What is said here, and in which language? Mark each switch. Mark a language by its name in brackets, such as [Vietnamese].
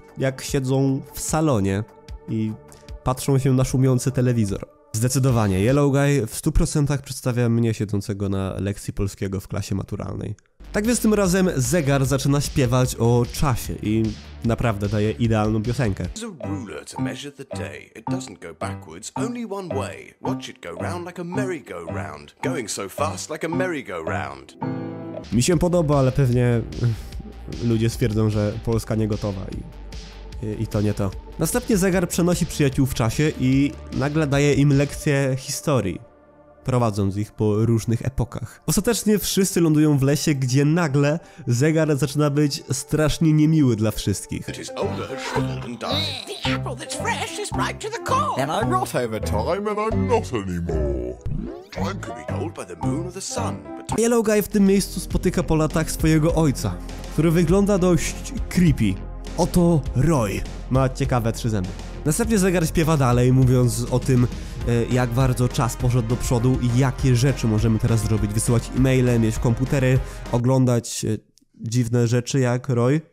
[Polish] jak siedzą w salonie i patrzą się na szumiący telewizor. Zdecydowanie, Yellow Guy w 100% przedstawia mnie siedzącego na lekcji polskiego w klasie maturalnej. Tak więc tym razem zegar zaczyna śpiewać o czasie i naprawdę daje idealną piosenkę. [English] There's a ruler to measure the day. It doesn't go backwards, only one way. Watch it go round like a merry-go-round. Going so fast like a merry-go-round. [Polish] Mi się podoba, ale pewnie ludzie stwierdzą, że Polska nie gotowa i to nie to. Następnie zegar przenosi przyjaciół w czasie i nagle daje im lekcję historii, prowadząc ich po różnych epokach. Ostatecznie wszyscy lądują w lesie, gdzie nagle zegar zaczyna być strasznie niemiły dla wszystkich. [English] It is older, shriveled and dying. The apple that's fresh is ripe to the core. And I'm not over time and I'm not anymore. Time can be told by the moon or the sun. [Polish] Yellow Guy w tym miejscu spotyka po latach swojego ojca, który wygląda dość creepy. Oto Roy. Ma ciekawe trzy zęby. Następnie zegar śpiewa dalej, mówiąc o tym, jak bardzo czas poszedł do przodu i jakie rzeczy możemy teraz zrobić. Wysyłać e-maile, mieć komputery, oglądać dziwne rzeczy jak Roy.